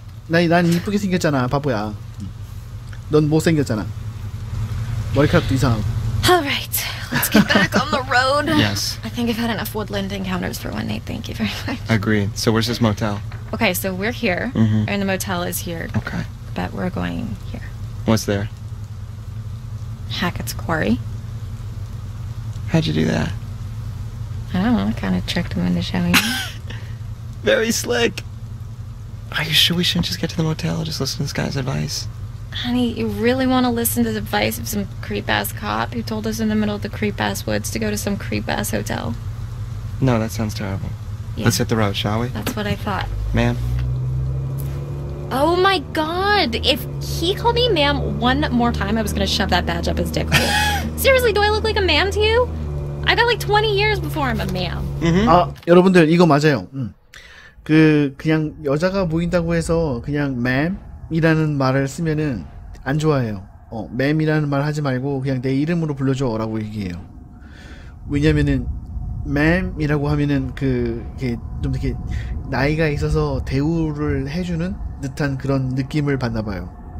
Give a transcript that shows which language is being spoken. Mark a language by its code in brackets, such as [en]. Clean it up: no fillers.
[ko] 난 이쁘게 생겼잖아, 바보야. 넌 못생겼잖아. 머리카락도 이상하고. [en] All right, let's get back on the road. Yes. I think I've had enough woodland encounters for one night. Thank you very much. Agreed. So where's this motel? Okay, so we're here, mm-hmm. and the motel is here. Okay. But we're going here. What's there? Hackett's Quarry. How'd you do that? I don't know. I kind of tricked him into showing me. Very slick. Are you sure we shouldn't just get to the motel and just listen to this guy's advice? Honey, you really want to listen to the advice of some creep-ass cop who told us in the middle of the creep-ass woods to go to some creep-ass hotel? No, that sounds terrible. Yeah. Let's hit the road, shall we? That's what I thought. Ma'am? Oh my god! If he called me ma'am one more time, I was gonna shove that badge up his dick hole. Seriously, do I look like a ma'am to you? I got like 20 years before I'm a ma'am. Mm-hmm. [ko] 아, 여러분들, 이거 맞아요. 그냥 여자가 보인다고 해서 그냥 ma'am? 이라는 말을 쓰면은 안 좋아해요. 맴이라는 말 하지 말고 그냥 내 이름으로 불러줘 라고 얘기해요. 왜냐면은 맴이라고 하면은 그게 좀 이렇게 나이가 있어서 대우를 해주는 듯한 그런 느낌을 받나 봐요.